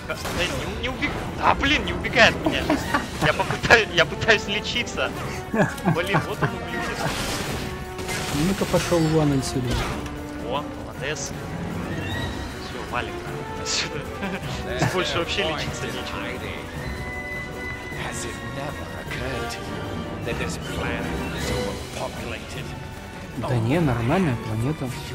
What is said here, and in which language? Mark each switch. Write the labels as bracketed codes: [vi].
[ru] Да блин, не убегай от меня. Я пытаюсь лечиться. Блин, вот он ублюдок. Ну-ка пошел вон отсюда. О, молодец. Все, валим отсюда. Больше вообще лечиться нечем. [en] Has it never occurred to you that this planet is overpopulated? [ru] Да не, нормальная планета.